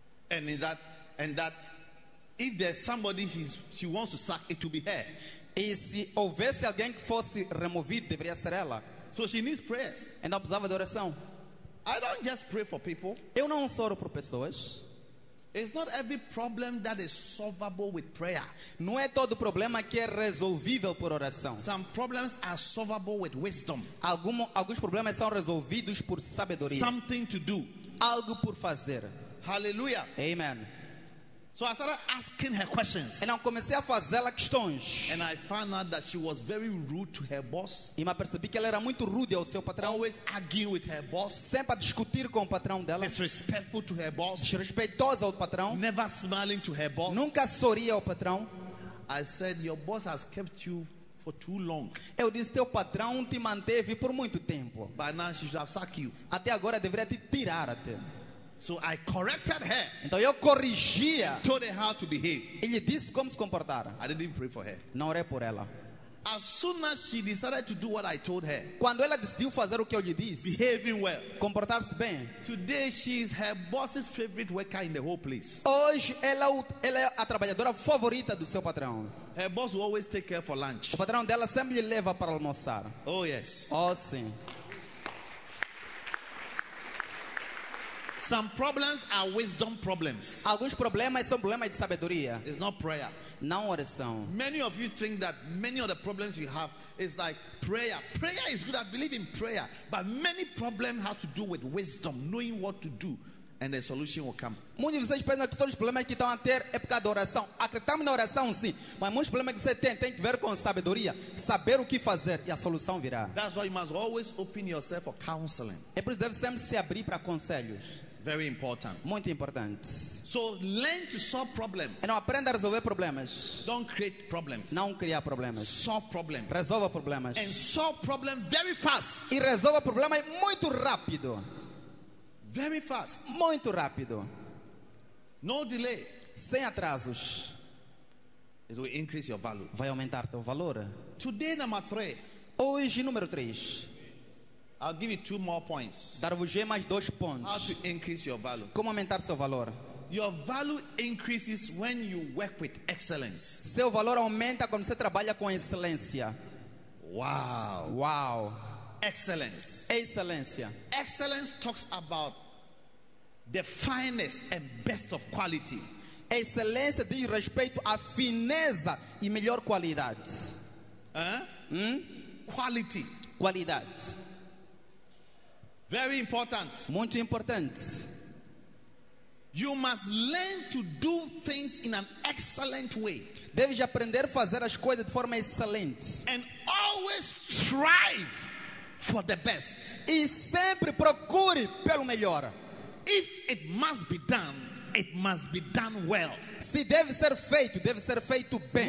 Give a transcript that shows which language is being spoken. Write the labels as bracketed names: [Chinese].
[English] And that if there's somebody she wants to sack, it will be her. [Portuguese] E se houvesse alguém que fosse removido, deveria ser ela. [English] So she needs prayers. [Portuguese] Então precisava de oração. [English] I don't just pray for people. [Portuguese] Eu não oro por pessoas. [English] It's not every problem that is solvable with prayer. [Portuguese] Não é todo problema que é resolvível por oração. [English] Some problems are solvable with wisdom. [Portuguese] Alguns problemas são resolvidos por sabedoria. [English] Something to do. [Portuguese] Algo por fazer. Hallelujah. Amen. [English] So I started asking her questions. [Portuguese] E não comecei a fazê-la questões. [English] And I found out that she was very rude to her boss. [Portuguese] E me percebi que ela era muito rude ao seu patrão. [English] Always arguing with her boss. [Portuguese] Sempre a discutir com o patrão dela. [English] Disrespectful to her boss. [Portuguese] Desrespeitosa ao patrão. [English] Never smiling to her boss. [Portuguese] Nunca sorria ao patrão. [English] I said, your boss has kept you for too long. [Portuguese] Eu disse, teu patrão te manteve por muito tempo. [English] By now she should have sacked you. [Portuguese] Até agora deveria te tirar até. [English] So I corrected her. [Portuguese] Então eu corrigia. [English] Told her how to behave. [Portuguese] E lhe disse como se comportar. [English] I didn't pray for her. [Portuguese] Não orei por ela. [English] As soon as she decided to do what I told her, [Portuguese] quando ela decidiu fazer o que eu lhe disse, [English] behaving well, [Portuguese] comportar-se bem, [English] today she is her boss's favorite worker in the whole place. [Portuguese] Hoje ela é a trabalhadora favorita do seu patrão. [English] Her boss will always take care for lunch. [Portuguese] O patrão dela sempre lhe leva para almoçar. [English] Oh yes. [Portuguese] Oh sim. [English] Some problems are wisdom problems. [Portuguese] Alguns problemas são problemas de sabedoria. [English] It's not prayer. [Portuguese] Não oração. [English] Many of you think that many of the problems you have is like prayer. Prayer is good. I believe in prayer. But many problems have to do with wisdom, knowing what to do, and a solution will come. [Portuguese] Muitos de vocês pensam que todos os problemas que estão a ter é por causa da oração. Acreditamos na oração, sim. Mas muitos problemas que você tem que ver com sabedoria. Saber o que fazer e a solução virá. [English] That's why you must always open yourself for counseling. [Portuguese] É por isso que deve sempre se abrir para conselhos. [English] Very important. [Portuguese] Muito importante. [English] So learn to solve problems. [Portuguese] Então aprenda a resolver problemas. [English] Don't create problems. [Portuguese] Não criar problemas. [English] Solve problems. [Portuguese] Resolva problemas. [English] And solve problems very fast. [Portuguese] E resolva problemas muito rápido. [English] Very fast. [Portuguese] Muito rápido. [English] No delay. [Portuguese] Sem atrasos. [English] It will increase your value. [Portuguese] Vai aumentar teu valor. [English] Today number 3. [Portuguese] Hoje número 3. [English] I'll give you 2 more points. [Portuguese] Dar-vos-ia mais 2 pontos. [English] How to increase your value. [Portuguese] Como aumentar seu valor. [English] Your value increases when you work with excellence. [Portuguese] Seu valor aumenta quando você trabalha com excelência. Wow. Wow. [English] Excellence. [Portuguese] Excelência. [English] Excellence talks about the finest and best of quality. [Portuguese] Excelência diz respeito à fineza e melhor qualidade. [English] Quality. [Portuguese] Qualidade. [English] Very important. [Portuguese] Muito importante. [English] You must learn to do things in an excellent way. [Portuguese] Deve aprender a fazer as coisas de forma excelente. [English] And always strive for the best. [Portuguese] E sempre procure pelo melhor. [English] If it must be done, it must be done well. [Portuguese] Se deve ser feito, deve ser feito bem.